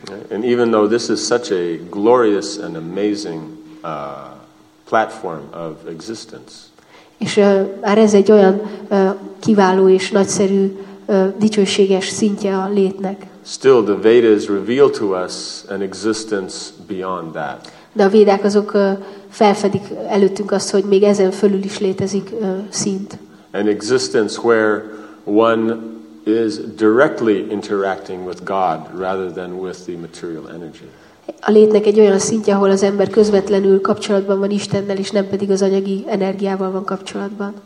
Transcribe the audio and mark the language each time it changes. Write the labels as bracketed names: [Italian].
[English] And even though this is such a glorious and amazing platform of existence. [Hungarian] És már ez egy olyan kiváló és nagyszerű dicsőséges szintje a létnek. [English] Still, the Vedas reveal to us an existence beyond that. [Hungarian] De a védák azok felfedik előttünk azt, hogy még ezen fölül is létezik szint. [English] An existence where one is directly interacting with God rather than with the material energy. [Hungarian] A létnek egy olyan szintje, ahol az ember közvetlenül kapcsolatban van Istennel, és nem pedig az anyagi energiával van kapcsolatban.